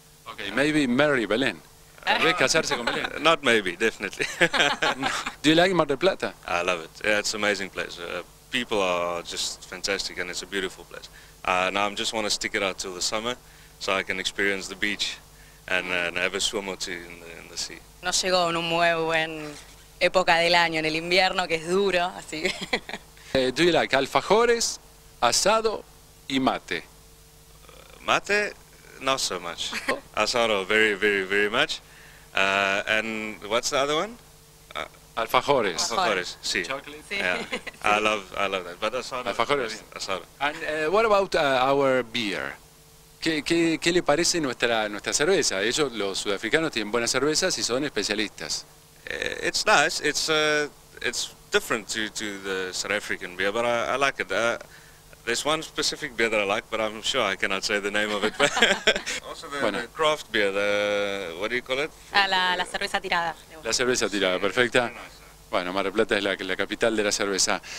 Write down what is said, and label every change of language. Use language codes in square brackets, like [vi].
[en] Okay, yeah. Maybe marry Belén. [es] Casarse con Belén. [en] Not maybe, definitely. Do you like Mar del Plata? I love it. Yeah, it's an amazing place. People are just fantastic and it's a beautiful place. Now I just want to stick it out till the summer so I can experience the beach. And have a swim or two in the sea. [es] No llegó en un muy buen época del año, en el invierno que es duro, así. [en] Do you like alfajores, asado y mate? Mate, not so much. Asado, very, very, very much. And what's the other one? Alfajores. [es] Alfajores, sí. [en] Chocolate. Yeah. I love that. But asado. [es] Alfajores. Asado. [en] And what about our beer? [es] ¿Qué le parece nuestra cerveza? Ellos, los sudafricanos, tienen buenas cervezas y son especialistas. [en] It's nice. It's different to the South African beer, but I like it. There's one specific beer that I like, but I'm sure I cannot say the name of it. Also the craft beer, what do you call it? [es] La cerveza tirada. La cerveza tirada, sí, perfecta. [en] Nice, [es] bueno, Mar del Plata es la capital de la cerveza.